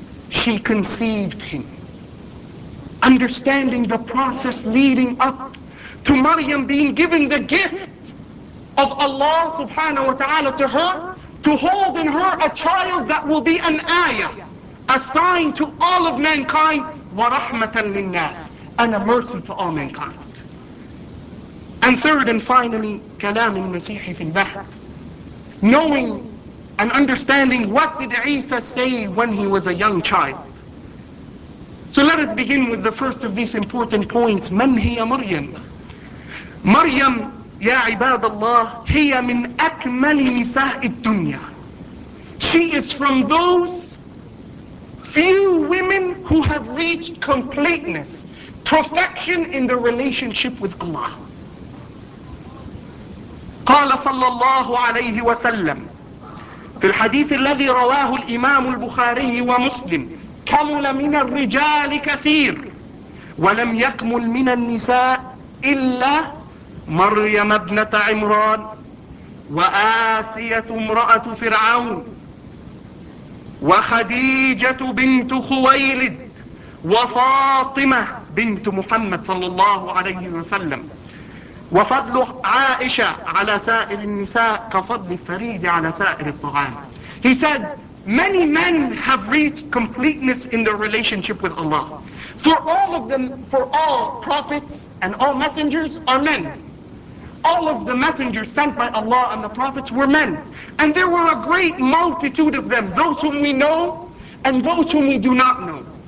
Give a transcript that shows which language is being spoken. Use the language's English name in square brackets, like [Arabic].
[English] She conceived him. Understanding the process leading up to Maryam being given the gift of Allah subhanahu wa ta'ala to her, to hold in her a child that will be an ayah, a sign to all of mankind, [Arabic] وَرَحْمَةً لِلنَّاسِ, [English] and a mercy to all mankind. And third and finally, [Arabic] كلام المسيح في البحر. [English] Knowing and understanding what did Isa say when he was a young child. So let us begin with the first of these important points. [Arabic] من هي مريم? مريم يا عباد الله هي من أكمل نساء الدنيا. [English] She is from those few women who have reached completeness, perfection in their relationship with Allah. [Arabic] قال صلى الله عليه وسلم في الحديث الذي رواه الإمام البخاري ومسلم كمل من الرجال كثير ولم يكمل من النساء إلا مريم ابنة عمران وآسية امرأة فرعون وخديجة بنت خويلد وفاطمة بنت محمد صلى الله عليه وسلم، وفضل عائشة على سائر النساء كفضل الفريد على سائر الطعام. [English] He says, many men have reached completeness in their relationship with Allah. For all of them, for all prophets and all messengers are men. All of the messengers sent by Allah and the prophets were men. And there were a great multitude of them, those whom we know and those whom we do not know.